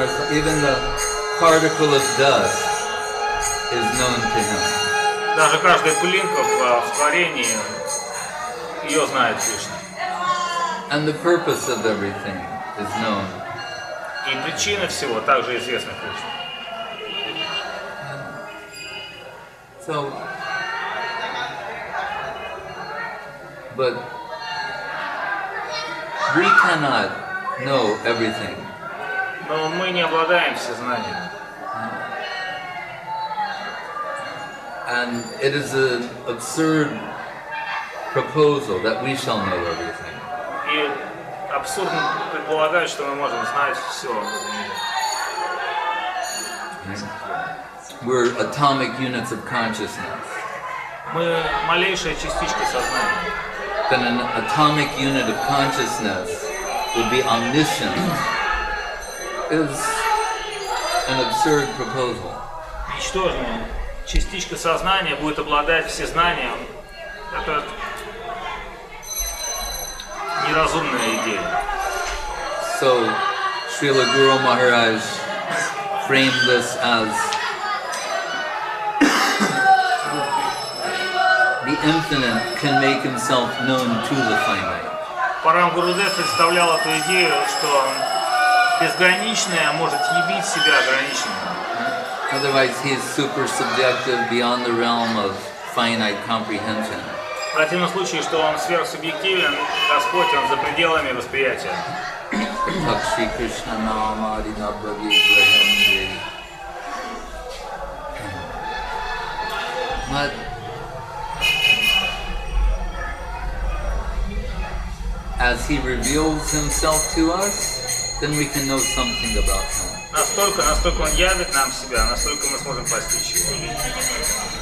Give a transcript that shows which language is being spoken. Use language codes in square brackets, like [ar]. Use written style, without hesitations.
[en] Even the particle of dust is known to him. [ru] Даже каждая пылинка в творении ее знает Кришна. [en] And the purpose of everything is known. [ru] И причина всего также известна Кришне. [en] So, but we cannot know everything. [ru] Но мы не обладаем всезнанием. [en] And it is an absurd proposal that we shall know everything. [ru] И абсурдно предполагать, что мы можем знать все. [en] We're atomic units of consciousness. [ru] Мы малейшие частички сознания. [en] Then an atomic unit of consciousness would be omniscient. Is an absurd proposal. [ru] Ничтожная частичка сознания будет обладать всезнанием. Это неразумная идея. [en] So, Srila Guru Maharaj framed this as the infinite can make himself known to the finite. [ru] Парам Гурудев представлял эту идею, что безграничное может явить себя ограниченным. [en] Otherwise, he is super subjective beyond the realm of finite comprehension. [ru] В противном случае, что он сверхсубъективен, Господь, он за пределами восприятия. [sa] Такши Кришна Нама Адина Бхаги Ибрахам Джей. [en] But as he reveals himself to us, then we can know something about him. [ru] Настолько он явит нам себя, настолько мы сможем постичь его.